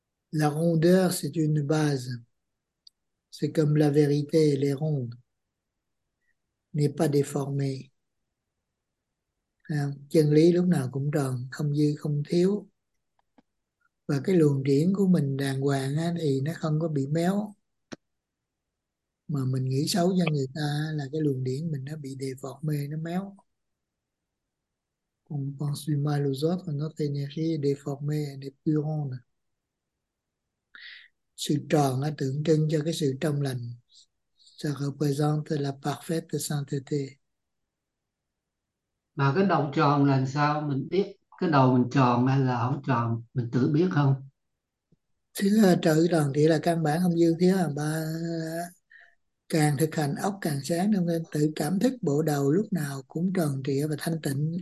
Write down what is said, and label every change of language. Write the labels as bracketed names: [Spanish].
[French] La rondeur, c'est une base. C'est comme la vérité, elle est ronde. N'est pas déformée. [Vietnamese] À, chân lý lúc nào cũng tròn, không dư không thiếu. Và cái luồng điển của mình đàng hoàng á, thì nó không có bị méo. Mà mình nghĩ xấu cho người ta là cái luồng điển mình nó bị đề phọt mê, nó méo. [French] On pense du mal aux autres, notre énergie est déformée, elle n'est plus ronde. [Vietnamese] Sự tròn nó tượng trưng cho cái sự trong lành. [French] Ça représente la parfaite sainteté. [Vietnamese] Mà cái đầu tròn là sao mình biết cái đầu mình tròn hay là không tròn, mình tự biết không? Thứ tự tròn thì là căn bản không dư thiếu à. Ba, càng thực hành óc càng sáng, nên tự cảm thức bộ đầu lúc nào cũng tròn trịa và thanh tịnh.